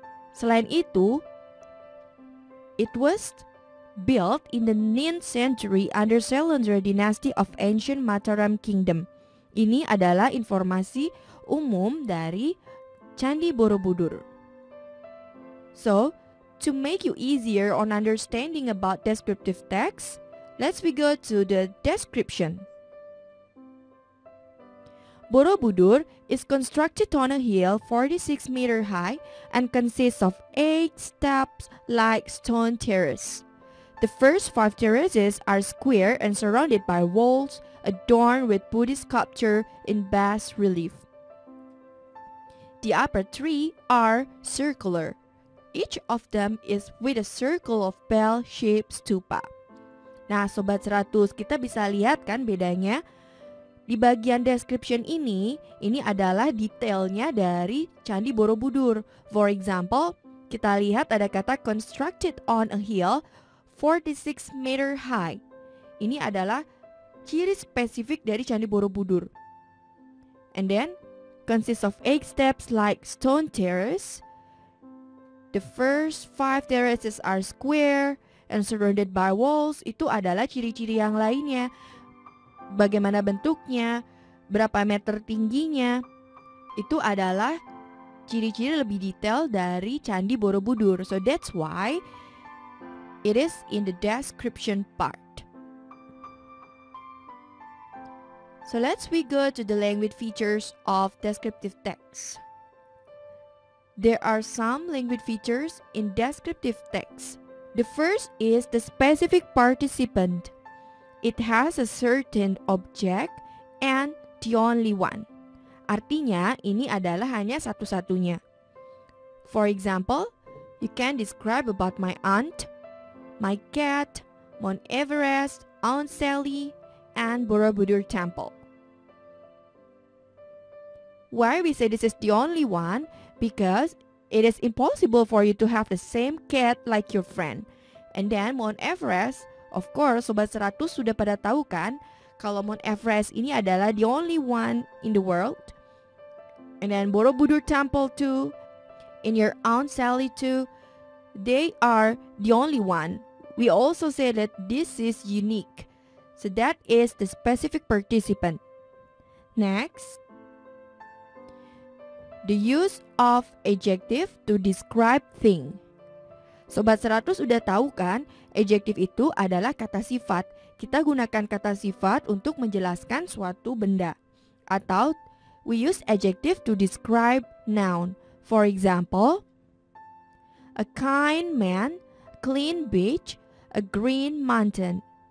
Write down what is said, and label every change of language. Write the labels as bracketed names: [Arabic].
[Indonesian] Selain itu, [English] it was built in the 9th century under Sailendra dynasty of ancient Mataram kingdom. [Indonesian] Ini adalah informasi umum dari Candi Borobudur. [English] So, to make you easier on understanding about descriptive text, let's we go to the description. Borobudur is constructed on a hill 46 meter high and consists of 8 steps like stone terrace. The first 5 terraces are square and surrounded by walls adorned with Buddhist sculpture in bas relief. The upper 3 are circular. Each of them is with a circle of bell-shaped stupa. [Indonesian] Nah, Sobat 100, kita bisa lihat kan bedanya? Di bagian description ini adalah detailnya dari Candi Borobudur. [English] For example, [Indonesian] kita lihat ada kata [English] constructed on a hill 46 meter high. [Indonesian] Ini adalah ciri spesifik dari Candi Borobudur. [English] And then, consists of 8 steps like stone terrace. The first 5 terraces are square and surrounded by walls. [Indonesian] Itu adalah ciri-ciri yang lainnya. Bagaimana bentuknya, berapa meter tingginya, itu adalah ciri-ciri lebih detail dari Candi Borobudur. [English] So that's why it is in the description part. So let's we go to the language features of descriptive text. There are some language features in descriptive text. The first is the specific participant. It has a certain object and the only one. [Indonesian] Artinya, ini adalah hanya satu-satunya. [English] For example, you can describe about my aunt, my cat, Mount Everest, Aunt Sally, and Borobudur Temple. Why we say this is the only one? Because it is impossible for you to have the same cat like your friend. And then Mount Everest, of course, [Indonesian] Sobat 100 sudah pada tahu kan kalau Mount Everest ini adalah [English] the only one in the world. And then Borobudur Temple too, and your Aunt Sally too, they are the only one. We also say that this is unique. So that is the specific participant. Next, the use of adjective to describe thing. [Indonesian] Sobat 100 sudah tahu kan, adjective itu adalah kata sifat. Kita gunakan kata sifat untuk menjelaskan suatu benda. [English] Atau, we use adjective to describe noun. For example, a kind man, clean beach, a green mountain.